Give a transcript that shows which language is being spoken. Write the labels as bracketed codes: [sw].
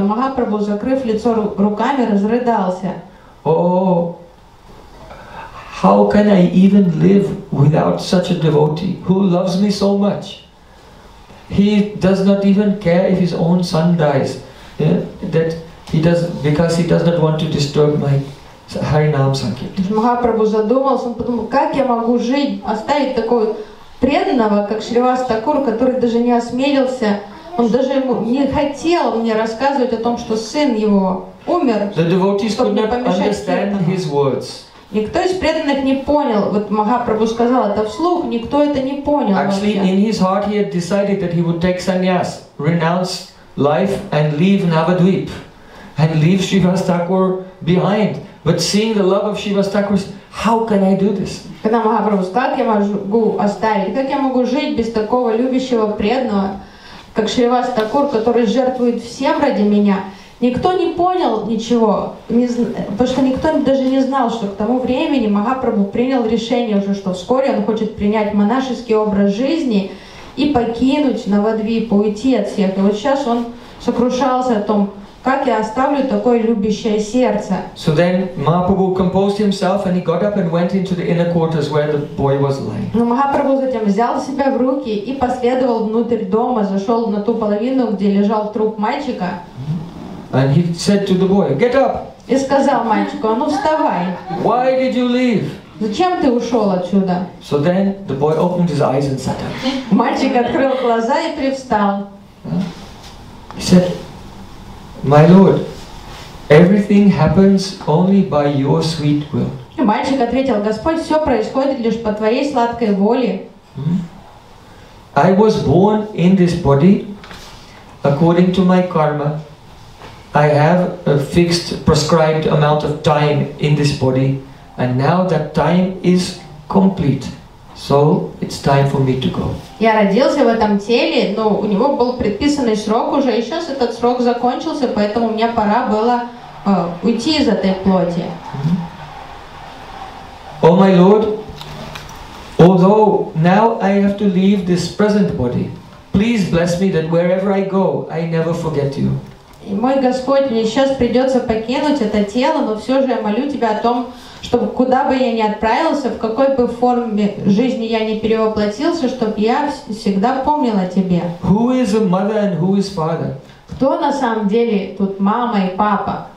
[ru] Махапрабху, закрыв лицо руками, разрыдался. [en] How can I even live without such a devotee who loves me so much? He does not even care if his own son dies. Yeah? That he does because he does not want to disturb my Harinam Sankirtan. [ru] Махапрабху задумался, он подумал, как я могу жить, оставить такого преданного, как Шривас Такур, который даже не осмелился, он даже ему не хотел мне рассказывать о том, что сын его умер. [en] The devotees could not understand his words. [ru] Никто из преданных не понял. Вот Махапрабху сказал это вслух, никто это не понял. [en] Actually, [ru] вообще. [en] In his heart, he had decided that he would take sannyas, renounce life, and leave Navadvip, and leave Shrivas Thakur behind. But seeing the love of Shrivas Thakur, how can I do this? [ru] Когда Махапрабху сказал, как я могу оставить, как я могу жить без такого любящего преданного, как Шривас Такур, который жертвует всем ради меня? Никто не понял ничего, потому что никто даже не знал, что к тому времени Махапрабху принял решение уже, что вскоре он хочет принять монашеский образ жизни и покинуть Навадвип, уйти от всех. И вот сейчас он сокрушался о том, как я оставлю такое любящее сердце. [en] So then Mahaprabhu composed himself and he got up and went into the inner quarters where the boy was lying. [ru] Но Махапрабху затем взял себя в руки и последовал внутрь дома, зашел на ту половину, где лежал труп мальчика. [en] And he said to the boy, "Get up!" [ru] И сказал мальчику, а ну вставай. [en] Why did you leave? [ru] Зачем ты ушел отсюда? [en] So then the boy opened his eyes and sat up. [ru] Мальчик открыл глаза и привстал. [en] He said, "My lord, everything happens only by your sweet will." [ru] И мальчик ответил, Господь, все происходит лишь по твоей сладкой воле. [en] I was born in this body according to my karma. I have a fixed, prescribed amount of time in this body, and now that time is complete, so it's time for me to go. [ru] Я родился в этом теле, но у него был предписанный срок уже, и сейчас этот срок закончился, поэтому мне пора было уйти из этой плоти. [en] Oh my lord, although now I have to leave this present body, please bless me that wherever I go, I never forget you. [ru] И мой Господь, мне сейчас придется покинуть это тело, но все же я молю Тебя о том, чтобы куда бы я ни отправился, в какой бы форме жизни я ни перевоплотился, чтобы я всегда помнил о Тебе. [en] Who is a mother and who is father? [ru] Кто на самом деле тут мама и папа?